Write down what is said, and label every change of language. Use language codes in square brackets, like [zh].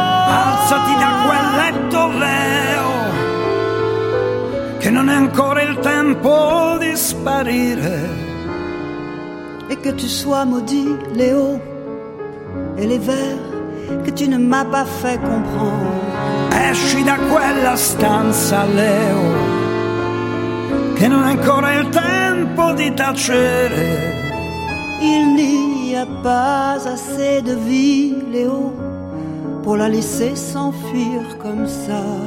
[it] Alzati da quel letto, Leo, che non è ancora il tempo di sparire. [fr] Et que tu sois maudit, Léo, et les vers que tu ne m'as pas fait comprendre. [it] Esci da quella stanza, Leo, che non è ancora il tempo di tacere. [fr] Il n'y a pas assez de vie, Léo, pour la laisser s'enfuir comme ça.